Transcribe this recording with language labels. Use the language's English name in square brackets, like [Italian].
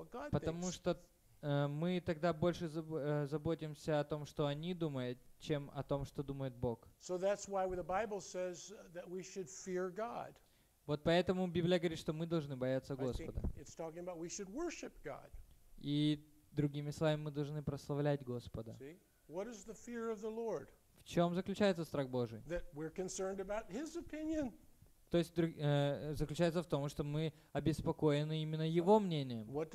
[Russian] Потому что мы тогда больше заботимся о том, что они думают, чем о том, что думает Бог. [English] So that's why the Bible says that we should fear God. [Russian] Вот поэтому Библия говорит, что мы должны бояться Господа. [English] It's talking about we should worship God. [Russian] И другими словами, мы должны прославлять Господа. [English] See? What is the fear of the Lord? [Russian] В чем заключается страх Божий? [English] That we're concerned about His opinion. [Russian] То есть заключается в том, что мы обеспокоены именно Его мнением.